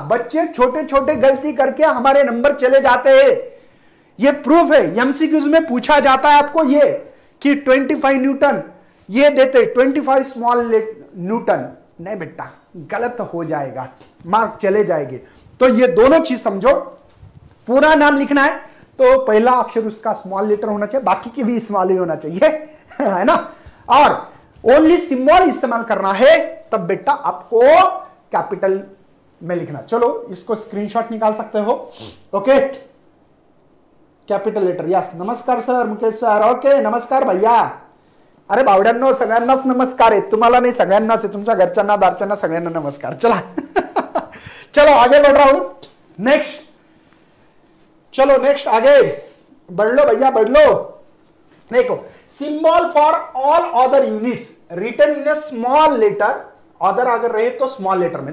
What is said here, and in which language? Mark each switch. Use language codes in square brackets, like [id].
[hi] बच्चे छोटे छोटे गलती करके हमारे नंबर चले जाते हैं, ये प्रूफ है, एमसीक्यूज में पूछा जाता है आपको ये कि 25 न्यूटन ये देते 25 स्मॉल न्यूटन, नहीं बेटा गलत हो जाएगा, मार्क चले जाएंगे। तो ये दोनों चीज समझो, पूरा नाम लिखना है तो पहला अक्षर उसका स्मॉल लेटर होना चाहिए, बाकी के भी स्मॉल ही होना चाहिए है ना, और ओनली सिंबल इस्तेमाल करना है तब बेटा आपको कैपिटल में लिखना। चलो इसको स्क्रीनशॉट निकाल सकते हो, [mr] ओके कैपिटल लेटर, यस नमस्कार सर मुकेश सर, ओके नमस्कार भैया, अरे बावड्यांनो सगळ्यांनाच नमस्कार आहे, तुम्हाला नाही सगळ्यांनाच आहे, तुमच्या घरच्यांना दारच्यांना सगळ्यांना नमस्कार। [hi] चला चलो आगे बढ़ रहा हूं, नेक्स्ट, चलो नेक्स्ट आगे बढ़ लो भैया बढ़ लो। [en] देखो symbol for all other units written in a small letter, [hi] other अगर रहे तो स्मॉल लेटर में।